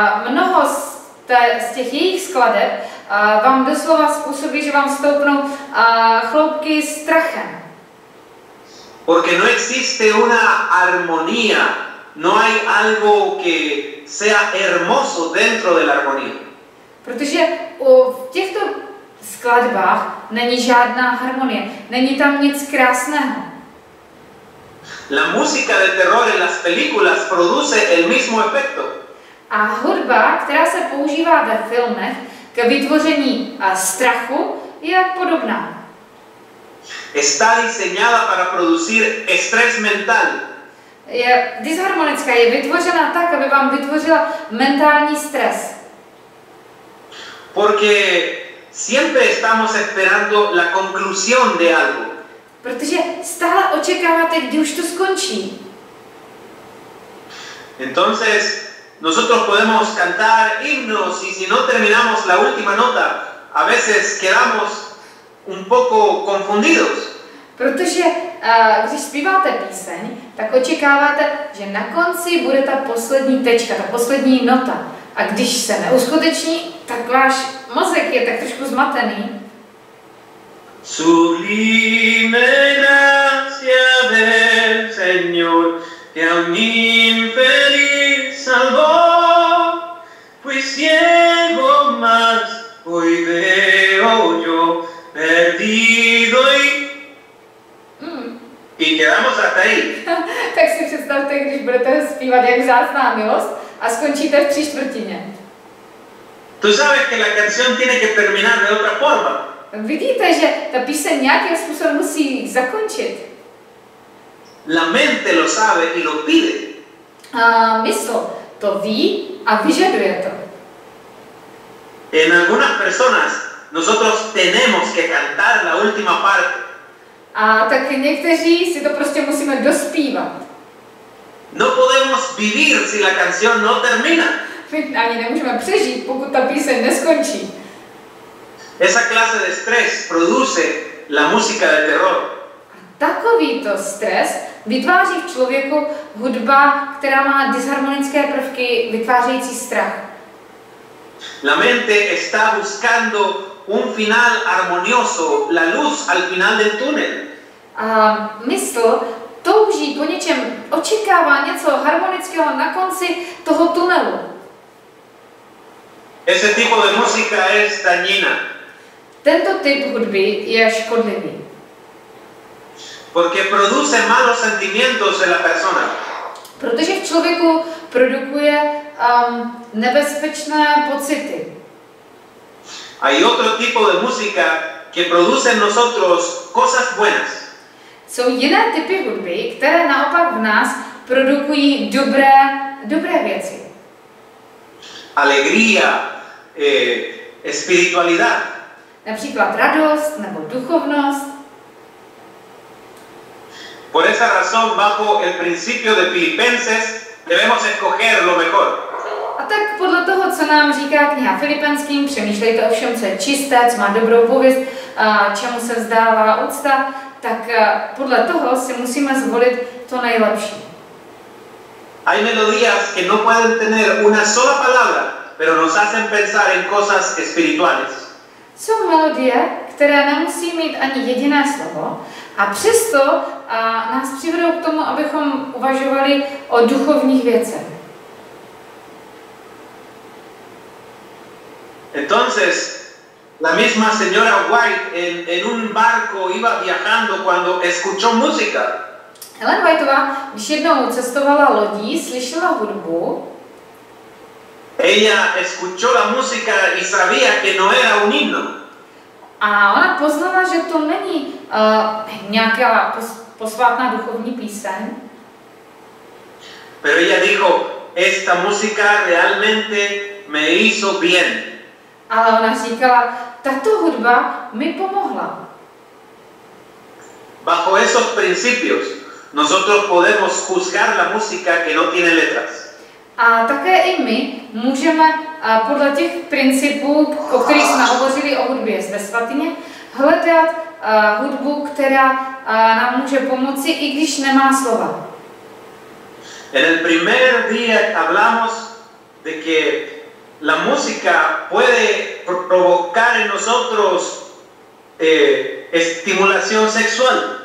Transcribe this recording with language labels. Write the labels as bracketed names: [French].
[Czech] Mnoho z těch jejich skladeb vám doslova způsobí, že vám stoupnou chloupky strachem. [Spanish] Porque no existe una armonía, no hay algo que sea hermoso dentro de la armonía. [Czech] Protože v těchto skladbách není žádná harmonie, není tam nic krásného. [Spanish] La música de terror en las películas produce el mismo efecto. [Czech] A hudba, která se používá ve filmech k vytvoření strachu, je podobná. [Spanish] Está diseñada para producir estrés mental. [Czech] Je disharmonická, je vytvořena tak, aby vám vytvořila mentální stres. [Spanish] Porque siempre estamos esperando la conclusión de algo. [Czech] Protože stále očekáváte, kdy už to skončí. [Spanish] Entonces, nosotros podemos cantar himnos y si no terminamos la última nota, a veces quedamos un poco confundidos. [Czech] Protože když zpíváte píseň, tak očekáváte, že na konci bude ta poslední tečka, ta poslední nota. A když se neuskuteční, tak váš mozek je tak trošku zmatený. [Spanish] Sublime gracia del Señor, que a un infeliz salvó, fui ciego más, hoy veo yo, perdido y... Y quedamos hasta ahí. [Czech] Tak si představte, když budete zpívat jak vzácná milost, a skončíte v tři čtvrtině. [Spanish] Tú sabes que la canción tiene que terminar de otra forma. [Czech] Vidíte, že ta píseň nějakým způsobem musí zakončit. [Spanish] La mente lo sabe y lo pide. [Czech] A mysl to ví a vyžaduje to. [Spanish] En algunas personas nosotros tenemos que cantar la última parte. [Czech] A tak někteří si to prostě musíme dospívat. [Spanish] No podemos vivir si la canción no termina. [Czech] Ani nemůžeme přežít, pokud ta píseň neskončí. [Spanish] Esa clase de estrés produce la música del terror. [Czech] Takovýto stres vytváří v člověku hudba, která má disharmonické prvky vytvářející strach. [Spanish] La mente está buscando un final armonioso, la luz al final del túnel. [Czech] A mysl touží po něčem, očekává něco harmonického na konci toho tunelu. [Spanish] Ese tipo de música es dañina. [Czech] Tento typ hudby je škodlivý. [Spanish] Porque produce malos sentimientos en la persona. [Czech] Protože v člověku produkuje nebezpečné pocity. [Spanish] Hay otro tipo de música que produce en nosotros cosas buenas. [Czech] Jsou jiné typy hudby, které naopak v nás produkují dobré věci. [Spanish] Alegría, espiritualidad. [Czech] Například radost nebo duchovnost. [Spanish] Por esa razón, bajo el principio de Filipenses, debemos escoger lo mejor. [Czech] A tak podle toho, co nám říká kniha Filipenským, přemýšlejte o všem, co je čisté, co má dobrou pověst, čemu se vzdává úcta, tak podle toho si musíme zvolit to nejlepší. [Spanish] Hay melodías que no pueden tener una sola palabra, pero nos hacen pensar en cosas espirituales. [Czech] Jsou melodie, které nemusí mít ani jediné slovo, a přesto nás přivedou k tomu, abychom uvažovali o duchovních věcech. [Spanish] Entonces, la misma señora White en un barco iba viajando cuando escuchó música. [Czech] Ellen Whiteová, když jednou cestovala lodí, slyšela hudbu. [Spanish] Ella escuchó la música y sabía que no era un himno. [Czech] A ona poznala, že to není nějaká posvátná duchovní píseň. [Spanish] Pero ella dijo, esta música realmente me hizo bien. [Czech] Ale ona říkala, tato hudba mi pomohla. [Spanish] Bajo esos principios, nosotros podemos juzgar la música que no tiene letras. [Czech] A také i my můžeme podle těch principů, o kterých jsme hovořili o hudbě ve svatyně, hledat hudbu, která nám může pomoci, i když nemá slova. [Spanish] En el primer día hablamos de que la música puede provocar en nosotros estimulación sexual.